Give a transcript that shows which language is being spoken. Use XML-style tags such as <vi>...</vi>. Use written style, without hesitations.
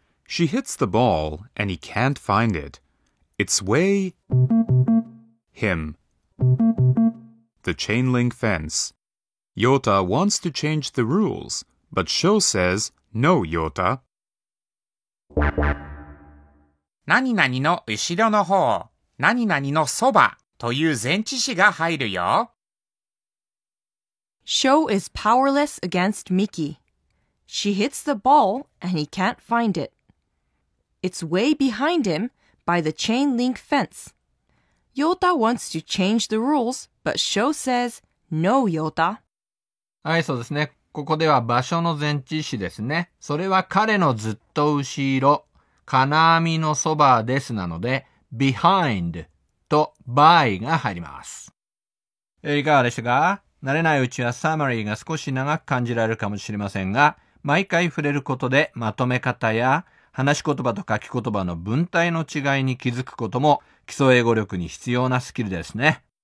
<en>She hits the ball and he can't find it. It's way... him. The chain link fence. Yota wants to change the rules, but Sho says, No, Yota.</en> <ja>何々の後ろの方。何々のそばという前置詞が入るよ。</ja> <en>Sho is powerless against Miki. She hits the ball and he can't find it. It's way behind him by the chain link fence. Yota wants to change the rules, but Sho says, No, Yota.</en> <ja>はい、そうですね。ここでは場所の前置詞ですね。それは彼のずっと後ろ、金網のそばですなので、behind と by が入ります。いかがでしたか? 慣れないうちはサマリーが少し長く感じられるかもしれませんが、毎回触れることでまとめ方や話し言葉と書き言葉の文体の違いに気づくことも基礎英語力に必要なスキルですね。</ja>